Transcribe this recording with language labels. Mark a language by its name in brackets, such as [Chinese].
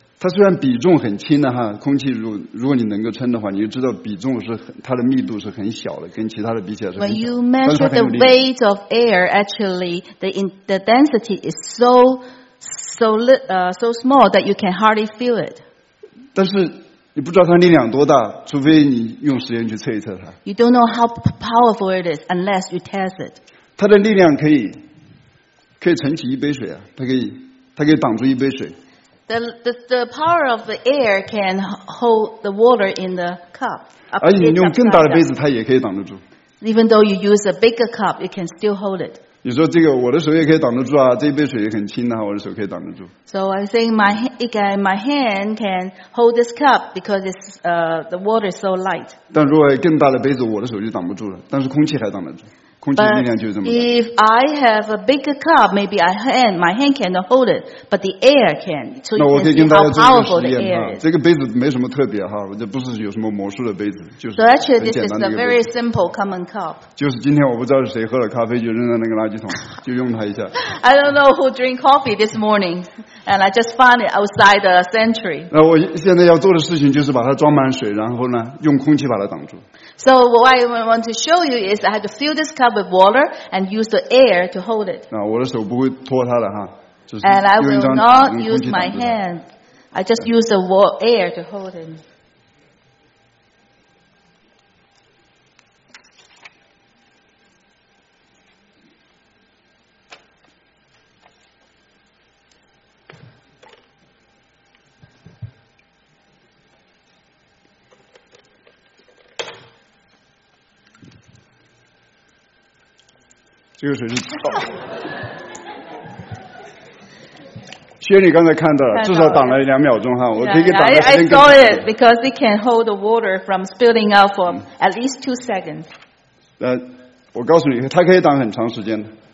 [Chinese] 它虽然比重很轻的哈，空气如果你能够称的话，你就知道比重是它的密度是很小的，跟其他的比起来是很小。 [English] When you measure the weight of air, actually the density is so small that you can hardly feel it. [Chinese] 但是你不知道它力量多大，除非你用实验去测一测它。 [English] You don't know how powerful it is unless you test it. [Chinese] 它的力量可以撑起一杯水啊，它可以挡住一杯水。 [English] The power of the air can hold the water in the cup. [Chinese] 而且你用更大的杯子，它也可以挡得住。 [English] Even though you use a bigger cup, it can still hold it. [Chinese] 你说这个我的手也可以挡得住啊，这一杯水也很轻啊，我的手可以挡得住。 [English] So I think my hand can hold this cup because it's the water is so light. [Chinese] 但如果更大的杯子，我的手就挡不住了，但是空气还挡得住，空气的力量就是这么大。 [English] If I have a bigger cup, maybe my hand cannot hold it, but the air can. [Chinese] 那我可以跟大家做一个实验啊，这个杯子没什么特别哈，这不是有什么魔术的杯子，就是很简单的一个杯子。 [English] So actually, this is a very simple common cup. [Chinese] 就是今天我不知道是谁喝了咖啡，就扔在那个垃圾桶，就用它一下。 [English] I don't know who drink coffee this morning, and I just found it outside the sanctuary. [Chinese] 那我现在要做的事情就是把它装满水，然后呢，用空气把它挡住。 [English] So what I want to show you is I had to fill this cup with water and use the air to hold it. [Chinese] 啊，我的手不会拖它的哈。 [English] And I will not use my hand. I just use the air to hold it. [Chinese] 这个水是草。轩你刚才看到了，至少挡了两秒钟哈，我可以给挡的时间更长。 [English] I saw it because it can hold the water from spilling out for at least 2 seconds. [Chinese] 我告诉你，它可以挡很长时间。